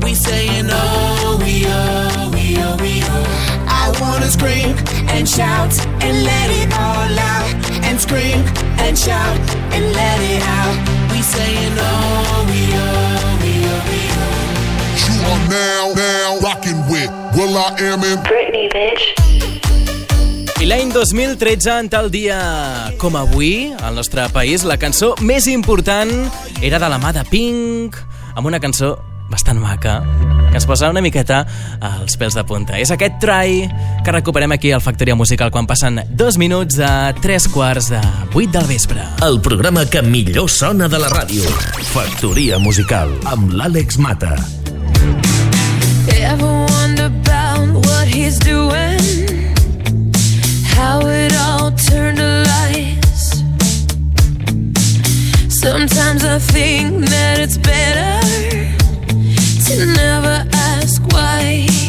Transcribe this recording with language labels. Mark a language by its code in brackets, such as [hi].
[en] We saying oh, we oh, we oh, we oh. I wanna scream and shout and let it all out. And scream and shout and let it out. We saying oh, we oh, we oh, we oh. You are now rocking with Will.i.am and Britney, bitch. [ca] I l'any 2013, en tal dia com avui, al nostre país, la cançó més important era de la mà de Pink, amb una cançó bastant maca, que ens posa una miqueta als pèls de punta. És aquest Try, que recuperem aquí al Factoria Musical quan passen 2 minuts a 3:15 del vespre. El programa que millor sona de la ràdio. Factoria Musical, amb l'Àlex Mata. [en] Ever wonder about what he's doing? How it all turned to lies? Sometimes I think that it's better to never ask why.